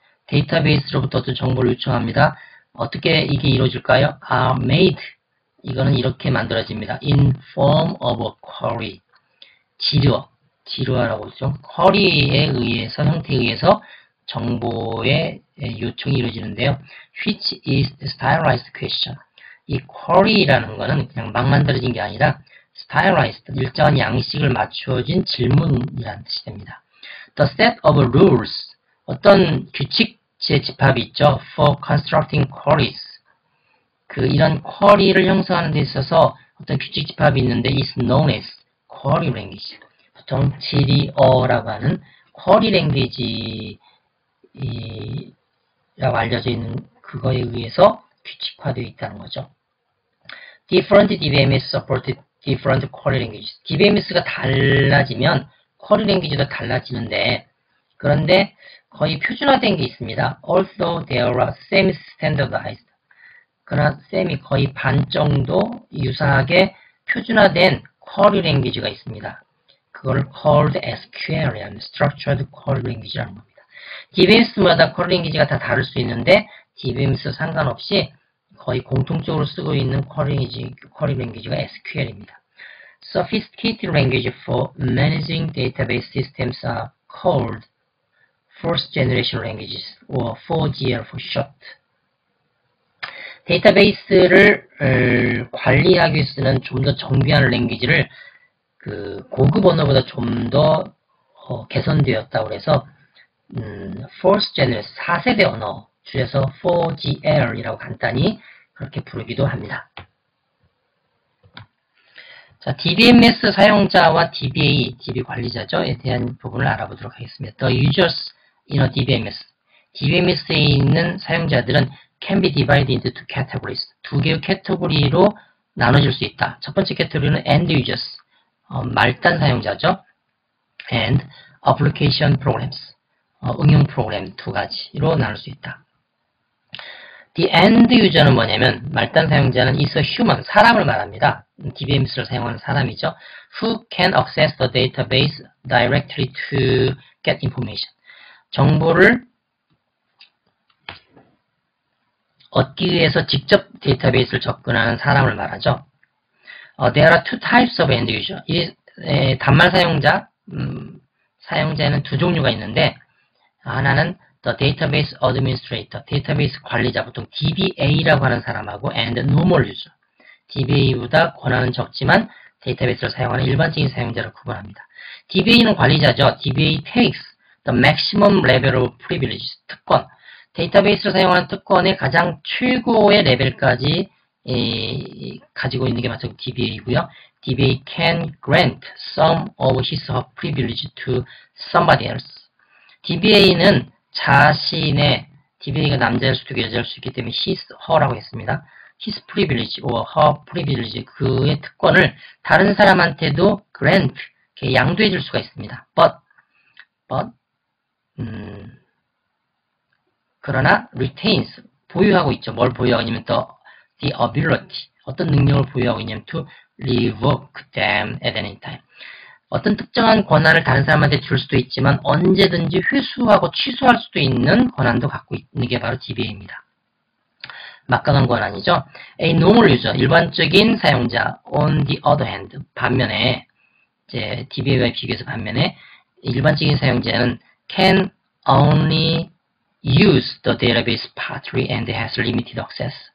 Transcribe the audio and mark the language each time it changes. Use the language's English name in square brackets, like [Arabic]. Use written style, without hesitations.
[Korean] 데이터베이스로부터 어떤 정보를 요청합니다. 어떻게 이게 이루어질까요? [English] Are made. [Korean] 이거는 이렇게 만들어집니다. [English] In form of a query. [Korean] 지료. 지루하라고 그러죠. 쿼리에 의해서, 형태에 의해서 정보의 요청이 이루어지는데요. [English] Which is stylized question. [Korean] 이 쿼리라는 것은 그냥 막 만들어진 게 아니라 stylized, 일정한 양식을 맞추어진 질문이라는 뜻이 됩니다. [English] The set of rules. [Korean] 어떤 규칙의 집합이 있죠. [English] For constructing queries. [Korean] 이런 쿼리를 형성하는 데 있어서 어떤 규칙 집합이 있는데 [English] is known as query language. [Korean] 보통 지리어라고 하는 쿼리 랭귀지라고 알려져 있는 그거에 의해서 규칙화되어 있다는 거죠. [English] Different DBMS supported different cquery languages. [Korean] DBMS가 달라지면 쿼리 랭귀지도 달라지는데 그런데 거의 표준화된 게 있습니다. [English] Although there are semi-standardized. [Korean] 그러나 semi 거의 반 정도 유사하게 표준화된 쿼리 랭귀지가 있습니다. 그걸 [English] called SQL, Structured Query Language [Korean] 라는 겁니다. DBMS마다 Query Language가 다 다를 수 있는데 DBMS 상관없이 거의 공통적으로 쓰고 있는 Query Language가 SQL입니다. [English] Sophisticated Language for Managing Database Systems are called First Generation Languages or 4GL for short. [Korean] 데이터베이스를 관리하기 위해 쓰는 좀 더 정교한 랭귀지를 고급 언어보다 좀 더 개선되었다고 해서 4th generation 4세대 언어 줄여서 4GL이라고 간단히 그렇게 부르기도 합니다. 자, DBMS 사용자와 DBA, DB 관리자죠에 대한 부분을 알아보도록 하겠습니다. [English] The users in a DBMS. [Korean] DBMS에 있는 사용자들은 [English] can be divided into two categories. [Korean] 두 개의 카테고리로 나눠질 수 있다. 첫 번째 카테고리는 end users. 말단 사용자죠. [English] And application programs, [Korean] 응용 프로그램 두 가지로 나눌 수 있다. [English] The end user [Korean] 는 뭐냐면 말단 사용자는 [English] is a human, [Korean] 사람을 말합니다. DBMS를 사용하는 사람이죠. [English] Who can access the database directly to get information. [Korean] 정보를 얻기 위해서 직접 데이터베이스를 접근하는 사람을 말하죠. [English] There are two types of end user. [Korean] 단말 사용자, 사용자에는 두 종류가 있는데 하나는 [English] the database administrator, [Korean] 데이터베이스 관리자, 보통 DBA라고 하는 사람하고 [English] and normal user. [Korean] DBA보다 권한은 적지만 데이터베이스를 사용하는 일반적인 사용자를 구분합니다. DBA는 관리자죠. [English] DBA takes the maximum level of privileges, [Korean] 특권. 데이터베이스를 사용하는 특권의 가장 최고의 레벨까지 가지고 있는 게 마치 DBA이고요. [English] DBA can grant some of his or her privilege to somebody else. [Korean] DBA는 자신의, DBA가 남자일 수도 있고 여자일 수 있기 때문에 his, her라고 했습니다. [English] His privilege or her privilege, [Korean] 그의 특권을 다른 사람한테도 grant, 양도해 줄 수가 있습니다. [English] But, [Korean] 그러나 [English] retains, [Korean] 보유하고 있죠. 뭘 보유하고 있냐면 [English] the ability, [Korean] 어떤 능력을 보유하고 있냐면 [English] to revoke them at any time. [Korean] 어떤 특정한 권한을 다른 사람한테 줄 수도 있지만 언제든지 회수하고 취소할 수도 있는 권한도 갖고 있는 게 바로 DBA입니다. 막강한 권한이죠. [English] A normal user, [Korean] 일반적인 사용자. [English] On the other hand, [Korean] 반면에 이제 DBA와 비교해서 반면에 일반적인 사용자는 [English] can only use the database partly and has limited access.